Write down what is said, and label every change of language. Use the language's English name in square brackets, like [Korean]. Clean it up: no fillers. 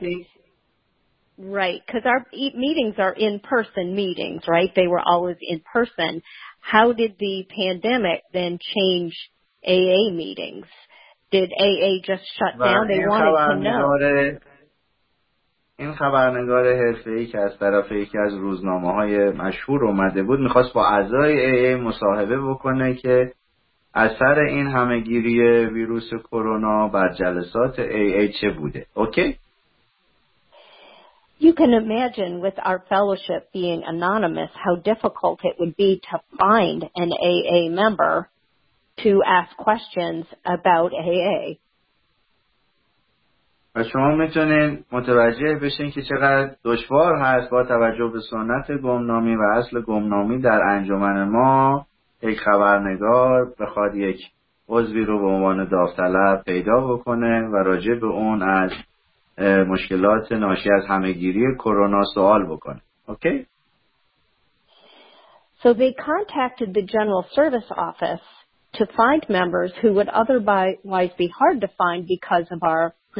[English] AA right, because our meetings are in-person meetings, right? They were always in-person. How did the pandemic then change AA meetings? Did AA just shut down? They wanted to know. [Persian] این خبرنگار حرفه‌ای که از طرف یکی از روزنامه‌های مشهور اومده بود می‌خواست با اعضای AA مصاحبه بکنه که اثر این همه‌گیری ویروس کرونا بر جلسات AA چه بوده. اوکی؟ [English] You can imagine with our fellowship being anonymous how difficult it would be to find an AA member to ask questions about AA. [Persian] و شما میتونین متوجه بشین که چقدر دشوار هست با توجه به سنت گمنامی و اصل گمنامی در انجمن ما یک خبرنگار بخواد یک عضوی رو به عنوان داوطلب پیدا بکنه و راجع به اون از مشکلات ناشی از همه‌گیری کرونا سوال بکنه. اوکی؟ [English] So they contacted the General Service Office to find members who would otherwise be hard to find because of our